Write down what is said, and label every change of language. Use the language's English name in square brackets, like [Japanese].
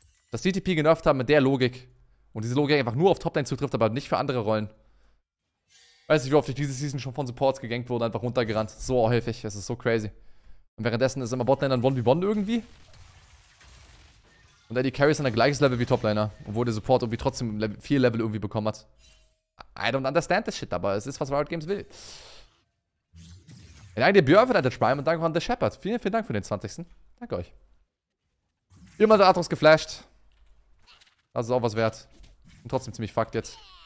[German] Dass die TP genervt haben mit der Logik und diese Logik einfach nur auf Toplane zutrifft, aber nicht für andere Rollen. Weiß nicht, wie oft ich diese Season schon von Supports gegankt wurde, einfach runtergerannt. So häufig, es ist so crazy. Und währenddessen ist immer Botliner 1v1 irgendwie. Und Eddie Carry ist dann gleiches Level wie Topliner. Obwohl der Support irgendwie trotzdem 4 Level irgendwie bekommen hat. [English] I don't understand this shit, [German] aber es ist, was Riot Games will. Und danke dir Björn für deinen Prime und danke an The Shepherd. Vielen, vielen Dank für den 20. Danke euch. Immer der Aatrox geflasht. Das ist auch was wert. bin trotzdem ziemlich fucked jetzt.